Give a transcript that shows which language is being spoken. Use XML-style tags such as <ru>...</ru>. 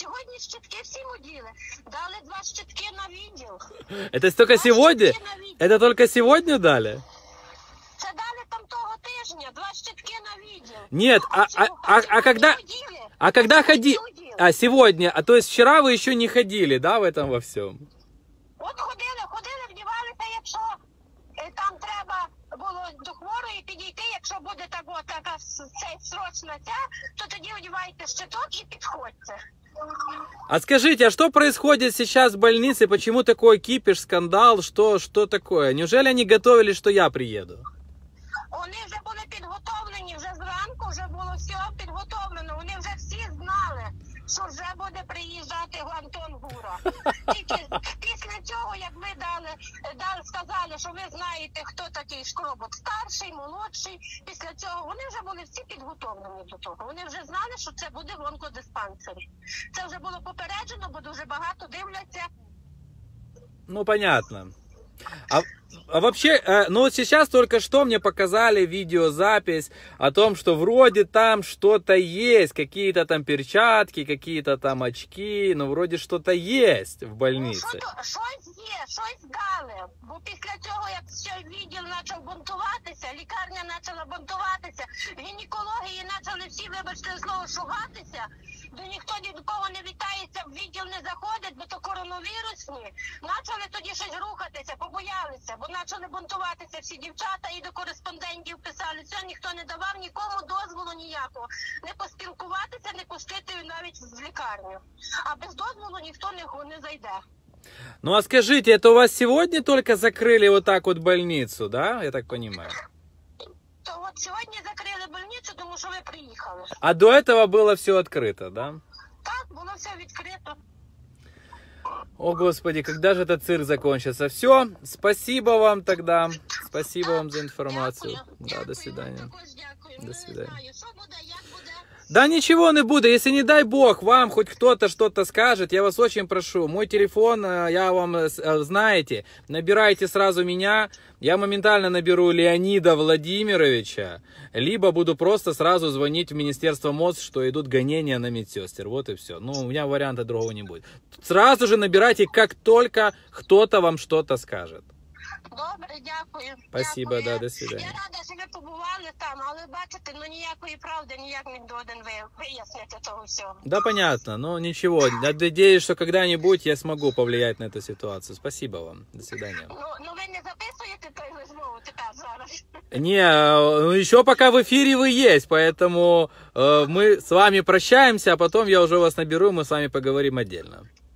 <uk>Сьогодні щитки всім оділи. Дали два щитки на відділ. Це тільки сьогодні? Це тільки сьогодні дали? Це дали там того тижня. Два щитки на відділ. Ні, а коли ходили? А сьогодні?</uk> <ru>А то есть</ru> <uk>вчора ви ще не ходили,</uk> <ru>да, в этом во всем?</ru> <uk>От ходили, вдівалися, якщо... Там треба було до хворої підійти, якщо буде така срочна ця, то тоді одівайте щиток і підходьте. А скажіть, а що відбувається зараз в лікарні? Чому такий кипіш, скандал? Що таке? Неужели вони готували, що я приїду? Вони вже були підготовлені, вже зранку вже було все підготовлено. Вони вже всі знали, що вже буде приїжджати Антон Гуро. Після цього, як ми дали, сказали, що ви знаєте, хто такий Шкробок, старший, молодший, після цього вони вже були всі підготовлені до того. Вони вже знали, що це буде в онкодиспансері. Це вже було попереджено, бо дуже багато дивляться.</uk> <ru>Ну, понятно. А вообще, ну вот сейчас только что мне показали видеозапись о том, что вроде там что-то есть, какие-то там перчатки, какие-то там очки, ну вроде что-то есть в больнице.</ru> <uk>Ну, щось є, щось дали, бо після цього, як все відділ почав бунтуватися, лікарня почала бунтуватися, гінекології почали всі, вибачте, знову шугатися. Бо ніхто ні до кого не вітається, в відділ не заходить, бо то коронавірусні. Почали тоді щось рухатися, побоялися, бо почали бунтуватися всі дівчата і до кореспондентів писали. Все, ніхто не давав нікому дозволу ніякого. Не поспілкуватися, не пустити навіть в лікарню. А без дозволу ніхто не зайде. Ну а скажіть, це у вас сьогодні тільки закрили отак от больницю, да? Я так розумію. Сьогодні закрили больницю, тому що ви приїхали. А до цього було все відкрито, да? Так, було все відкрито.</uk> <ru>О, Господи, когда же этот цирк закончится? Все, спасибо вам тогда. Спасибо вам за информацию.</ru> <uk>Дякую.</uk> <ru>Да, до свидания.</ru> <uk>Дякую.</uk> <ru>До свидания. Да ничего не будет, если не дай бог вам хоть кто-то что-то скажет, я вас очень прошу, мой телефон, я вам, знаете, набирайте сразу меня, я моментально наберу Леонида Владимировича, либо буду просто сразу звонить в Министерство МОЗ, что идут гонения на медсестер, вот и все. Ну, у меня варианта другого не будет. Сразу же набирайте, как только кто-то вам что-то скажет.</ru> <uk>Добре, дякую.</uk> <ru>Спасибо,</ru> <uk>дякую.</uk> <ru>Да, до свидания. Я рада, что вы побывали там,</ru> <uk>але бачите, ну ніякої правди, ніяк не доден вияснити того всього.</uk> <ru>Да, понятно, ну ничего, надеюсь, что когда-нибудь я смогу повлиять на эту ситуацию. Спасибо вам, до свидания. Ну вы не записываете</ru> <uk>твою розмову тепер зараз?</uk> <ru>Не, ну еще пока в эфире вы есть, поэтому мы с вами прощаемся, а потом я уже вас наберу, мы с вами поговорим отдельно.</ru>